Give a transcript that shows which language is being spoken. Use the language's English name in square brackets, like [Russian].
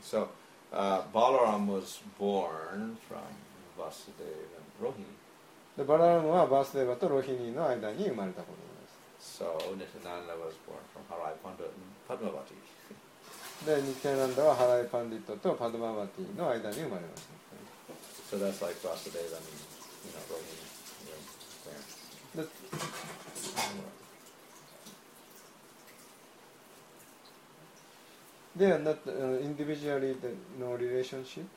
[English] So, Balaram was born from Vasudeva and Rohini. [Japanese] で、バラームはバスデーバとロヒニーの間に生まれた子供です。 [English] So, Nityananda was born from Harai Pandit and Padmavati. [Japanese] で、ニティアナンダはハライパンディットとパドマバティの間に生まれました。 [English] So that's like Vasudeva and, you know, Rohini. Yeah. で、 They are not individually the, no relationship?